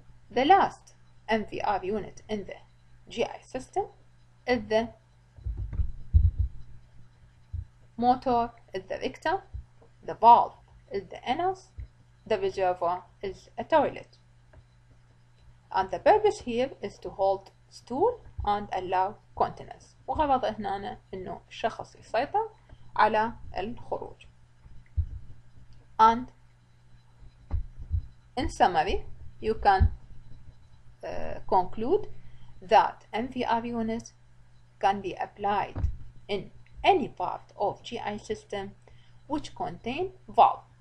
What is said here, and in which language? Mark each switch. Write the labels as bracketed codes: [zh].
[en] The last MVR unit in the GI system is the motor, is the rectum, the valve is the anus, the reservoir is a toilet. And the purpose here is to hold stool and allow continence. [ar] وغرض هنا انه الشخص يسيطر على الخروج. [en] And in summary, you can conclude that MVR unit can be applied in any part of GI system which contain valve.